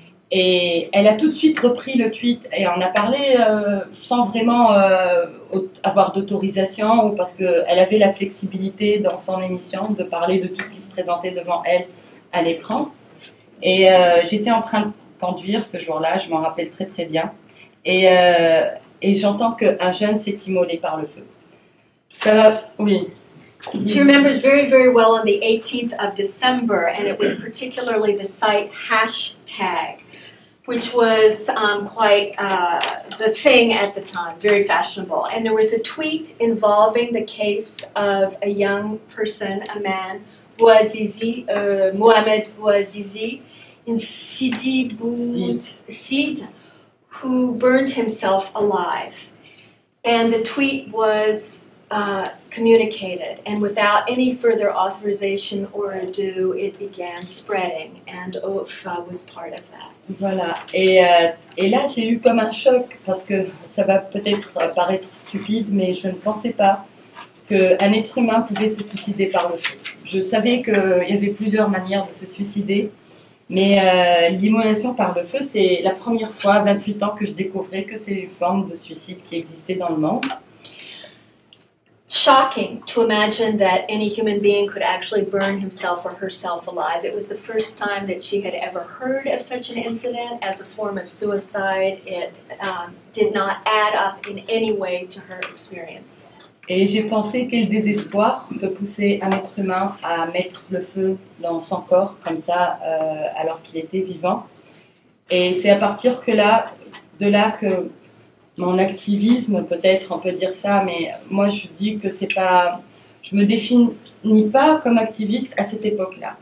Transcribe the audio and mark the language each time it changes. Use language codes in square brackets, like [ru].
[fr] Et elle a tout de suite repris le tweet et en a parlé sans vraiment avoir d'autorisation ou parce qu'elle avait la flexibilité dans son émission de parler de tout ce qui se présentait devant elle à l'écran. Et j'étais en train de conduire ce jour-là, je m'en rappelle très très bien, et j'entends qu'un jeune s'est immolé par le feu. Oui. [en] She remembers very, very well on the 18th of December, and it was particularly the site hashtag, which was quite the thing at the time, very fashionable. And there was a tweet involving the case of a young person, a man, Bouazizi, Mohamed Bouazizi, in Sidi Bouzid, who burned himself alive. And the tweet was communicated, and without any further authorization or ado, it began spreading, and OFA was part of that. [fr] Voilà, et là j'ai eu comme un choc, parce que ça va peut-être paraître stupide, mais je ne pensais pas qu'un être humain pouvait se suicider par le feu. Je savais qu'il y avait plusieurs manières de se suicider, mais l'immolation par le feu, c'est la première fois, 28 ans, que je découvrais que c'est une forme de suicide qui existait dans le monde. [en] Shocking to imagine that any human being could actually burn himself or herself alive. It was the first time that she had ever heard of such an incident as a form of suicide. It did not add up in any way to her experience. [fr] Et j'ai pensé quel désespoir peut pousser un être humain à mettre le feu dans son corps comme ça, alors qu'il était vivant. Et c'est à partir que là, de là que mon activisme, peut-être on peut dire ça, mais moi je dis que c'est pas, je me définis pas comme activiste à cette époque-là.